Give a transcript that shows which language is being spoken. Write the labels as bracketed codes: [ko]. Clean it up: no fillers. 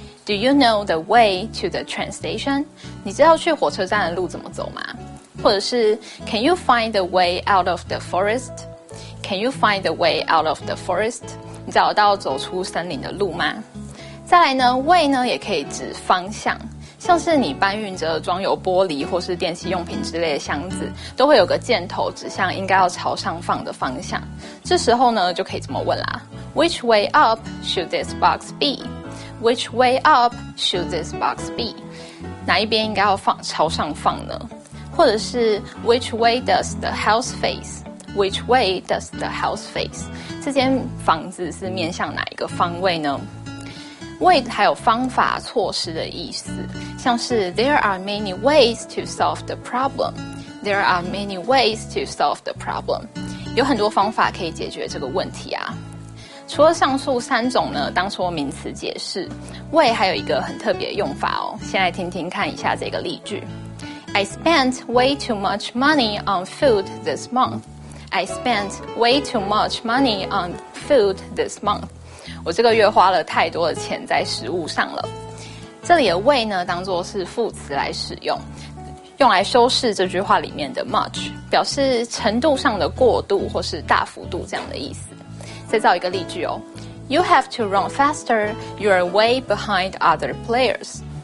[en] Do you know the way to the train station? [zh] 你知道去火车站的路怎么走吗？或者是 [en] Can you find the way out of the forest? Can you find the way out of the forest? [zh] 你找到走出森林的路吗？再来呢，way呢也可以指方向，像是你搬运着装有玻璃或是电器用品之类的箱子，都会有个箭头指向应该要朝上放的方向。这时候呢，就可以这么问啦 ： [en] Which way up should this box be？ Which way up should this box be？ [zh] 哪一边应该要放朝上放呢？或者是 [en] Which way does the house face？ Which way does the house face? [zh] 这间房子是面向哪一个方位呢？ [en] Way [zh] 还有方法措施的意思，像是 [en] There are many ways to solve the problem. There are many ways to solve the problem. [zh] 有很多方法可以解决这个问题啊。除了上述三种呢，当说名词解释， Way 还有一个很特别的用法哦。先来听听看一下这个例句。 [en] I spent way too much money on food this monthI spent way too much money on food this month. [zh] 我这个月花了太多的钱在食物上了。这里的 way 呢，当作是副词来使用，用来修饰这句话里面的 much， 表示程度上的过度或是大幅度这样的意思。再造一个例句哦 [en] ，You have to run faster. You are way behind other players.